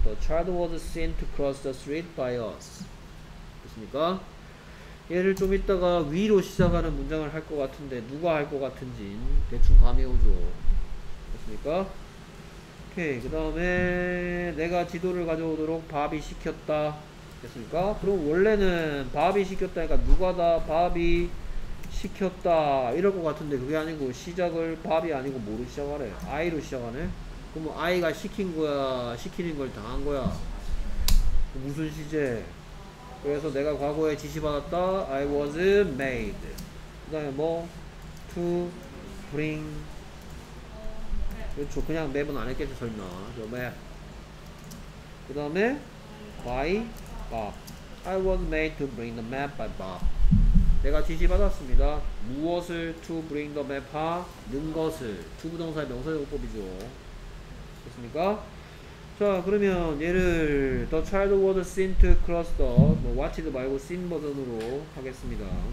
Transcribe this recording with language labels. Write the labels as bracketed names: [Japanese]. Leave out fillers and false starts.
[English] The child was seen to cross the street by us. [Korean] 그니까 얘를 좀 이따가 위로 시작하는 문장을 할 것 같은데 누가 할 것 같은지 대충 감이 오죠. 그렇습니까? 오케이. 그 다음에 내가 지도를 가져오도록 바비 시켰다. 됐습니까? 그럼 원래는 바비 시켰다 그러니까 누가 다 바비 시켰다 이럴 것 같은데 그게 아니고 시작을 바비 아니고 뭐로 시작하래? I로 시작하네. 그럼 I가 시킨 거야? 시키는 걸 당한 거야? 무슨 시제? 그래서 내가 과거에 지시받았다. [English] I was made. [Korean] 그 다음에 뭐? [English] To bring. [Korean] 그렇죠. 그냥 맵은 안 했겠죠, 설마. 그 맵. 그 다음에 [English] by Bob. I was made to bring the map by Bob. [Korean] 내가 지시받았습니다. 무엇을 [English] to bring the map [Korean] 하는 것을. 두 부동사의 명사용법이죠. 됐습니까? 자 그러면 얘를 [English] The child was seen to cross the [Korean] 뭐 watched 말고 seen 버전으로 하겠습니다.